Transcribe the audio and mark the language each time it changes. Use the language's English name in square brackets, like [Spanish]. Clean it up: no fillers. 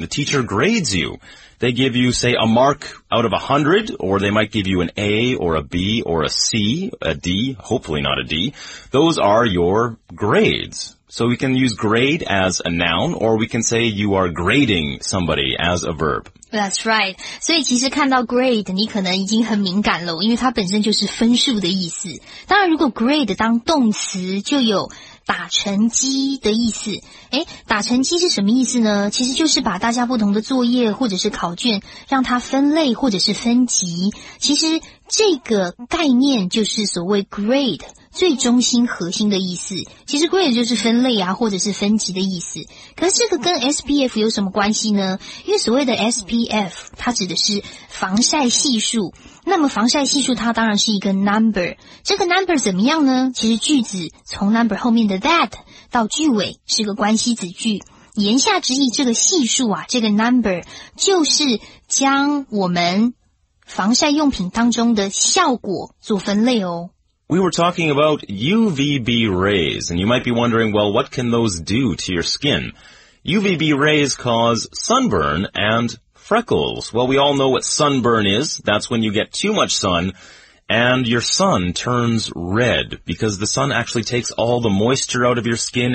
[English] The teacher grades you. They give you, say, a mark out of 100, or they might give you an A or a B or a C, a D, hopefully not a D. Those are your grades. So we can use grade as a noun, or we can say you are grading somebody as a verb. That's right. [Chinese] 所以其实看到 grade, 你可能已经很敏感了，因为它本身就是分数的意思。当然如果 grade 当动词就有打成绩的意思，诶，打成绩是什么意思呢？其实就是把大家不同的作业或者是考卷让它分类或者是分级。其实这个概念就是所谓 grade 最中心核心的意思。其实 grade 就是分类啊，或者是分级的意思。可是这个跟 SPF 有什么关系呢？因为所谓的 SPF 它指的是防晒系数，那么防晒系数它当然是一个 number， 这个 number 怎么样呢？其实句子从 number 后面的 that 到句尾是个关系子句，言下之意这个系数啊，这个 number 就是将我们防晒用品当中的效果做分类哦。 [English] We were talking about UVB rays, and you might be wondering, well, what can those do to your skin? UVB rays cause sunburn and freckles. Well, we all know what sunburn is. That's when you get too much sun and your sun turns red because the sun actually takes all the moisture out of your skin.